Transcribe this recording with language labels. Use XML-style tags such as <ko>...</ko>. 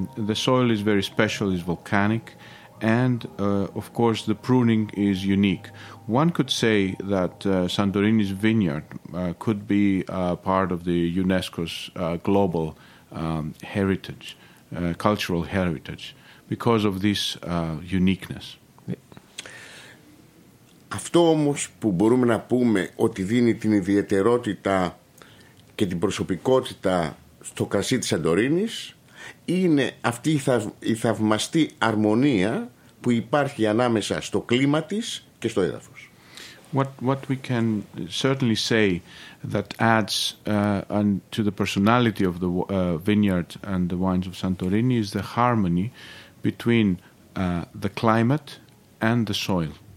<en>The soil is very special, is volcanic, and of course the pruning is unique. One could say that Santorini's vineyard could be part of the UNESCO's global heritage, cultural heritage, because of this uniqueness.</en> <el>Αυτό όμως που μπορούμε να πούμε ότι δίνει την ιδιαιτερότητα και την προσωπικότητα στο κρασί της Σαντορίνης είναι αυτή η θαυμαστή αρμονία που υπάρχει ανάμεσα στο κλίμα της και στο έδαφος.</el> <en>What we can certainly say that adds to the personality of the vineyard and the wines of Santorini is the harmony between the climate and the soil.</en>